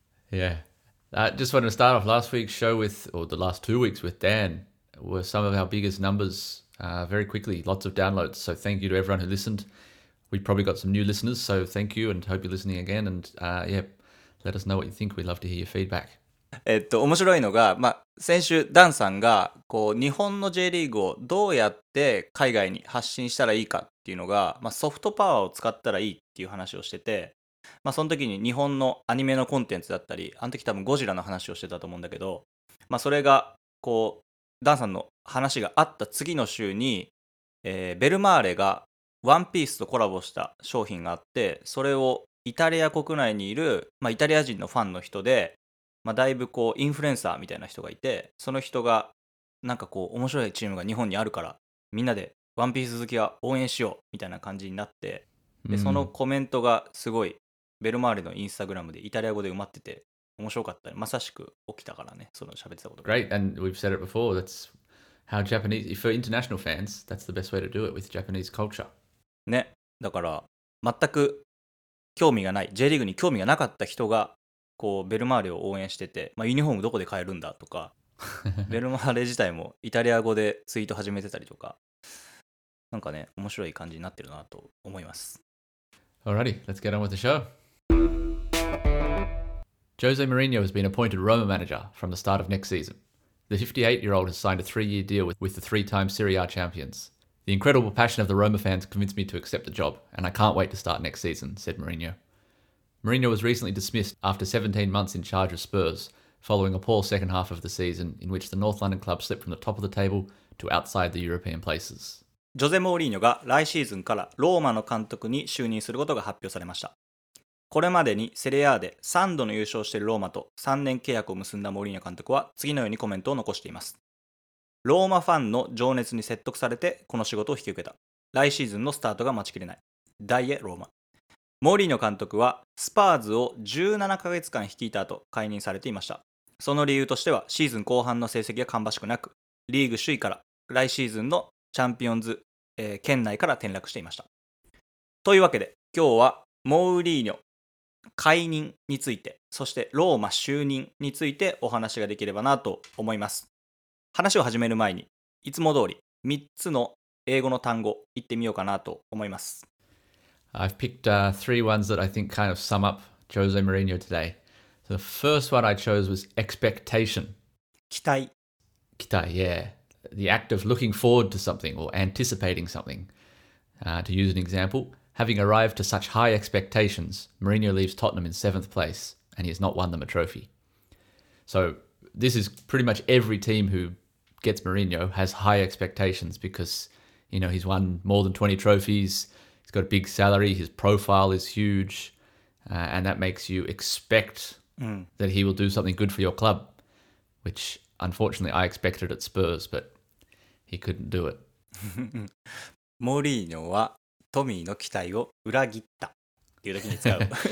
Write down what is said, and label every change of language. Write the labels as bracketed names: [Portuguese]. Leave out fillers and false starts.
[English] Yeah. I just wanted to start off last week's show with, or the last 2 weeks with Dan, were some of our biggest numbers very quickly. Lots of downloads. So thank you to everyone who listened. We probably got some new listeners. So thank you and hope you're listening again. And yeah, let us know what you think. We'd love to hear your feedback. [Japanese] 面白いのが、まあ、先週ダンさんがこう日本の J リーグをどうやって海外に発信したらいいかっていうのが、まあ、ソフトパワーを使ったらいいっていう話をしてて、まあ、その時に日本のアニメのコンテンツだったり、あの時多分ゴジラの話をしてたと思うんだけど、まあ、それがこうダンさんの話があった次の週に、ベルマーレがワンピースとコラボした商品があって、それをイタリア国内にいる、まあ、イタリア人のファンの人で、まあ、だいぶこうインフルエンサーみたいな人がいて、その人がなんかこう面白いチームが日本にあるから、みんなでワンピース好きは応援しようみたいな感じになって、でそのコメントがすごいベルマーレのインスタグラムでイタリア語で埋まってて面白かった。まさしく起きたからね、その喋ってたことが。 [English] Great, and we've said it before. That's how Japanese, for international fans, that's the best way to do it with Japanese culture. [Japanese] ね、だから全く興味がない、J リーグに興味がなかった人が。こうベルマーレを応援してて、まあ、ユニフォームどこで買えるんだとか、ベルマーレ自体もイタリア語でツイート始めてたりとか、なんかね、面白い感じになってるなと思います。 [English] Alrighty, let's get on with the show. Jose Mourinho has been appointed Roma manager from the start of next season. The 58-year-old has signed a 3-year deal with the 3-time Serie A champions. The incredible passion of the Roma fans convinced me to accept the job, and I can't wait to start next season, said Mourinho. Mourinho was recently dismissed after 17 months in charge of Spurs, following a poor second half of the season in which the North London club slipped from the top of the table to outside the European places. [Japanese] ジョゼ・モーリーニョが来シーズンからローマの監督に就任することが発表されました。これまでにセレアで3度の優勝しているローマと3年契約を結んだモーリーニョ監督は次のようにコメントを残しています。ローマファンの情熱に説得されてこの仕事を引き受けた。来シーズンのスタートが待ちきれない。ダイエ・ローマ。モーリーノ監督はスパーズを17ヶ月間率いた後解任されていました。その理由としてはシーズン後半の成績が芳しくなく、リーグ首位から来シーズンのチャンピオンズ、圏内から転落していました。というわけで今日はモーリーノ解任について、そしてローマ就任についてお話ができればなと思います。話を始める前にいつも通り3つの英語の単語言ってみようかなと思います。 [English] I've picked three ones that I think kind of sum up Jose Mourinho today. So the first one I chose was expectation. [Japanese] 期待。期待, yeah. [English] The act of looking forward to something or anticipating something. To use an example, having arrived to such high expectations, Mourinho leaves Tottenham in seventh place and he has not won them a trophy. So this is pretty much every team who gets Mourinho has high expectations because, you know, he's won more than 20 trophies,He's got a big salary, his profile is huge, and that makes you expect that he will do something good for your club, which unfortunately I expected at Spurs, but he couldn't do it. [Japanese] モーリーニョはトミーの期待を裏切ったっていう時に使う。